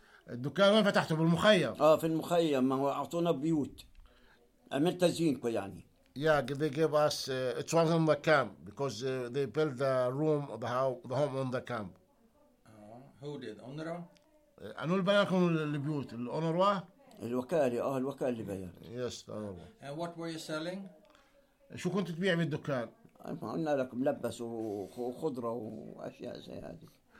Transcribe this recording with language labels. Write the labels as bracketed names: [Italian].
[Arabic] الدكان وين فتحته؟ بالمخيم. في المخيم ما هو اعطونا بيوت. عملت تزيين كو يعني. [English] Yeah, they gave us it was in the camp because they built the room of the home on the camp. Who did? Onra? [Arabic] انو اللي بناكم البيوت الاونروا. الوكالة الوكالة اللي بيع. [English] Yes, طبعا. And what were you selling? [Arabic] شو كنت تبيع من الدكان؟ قلنا لك ملبس وخضرة وأشياء زي هذه.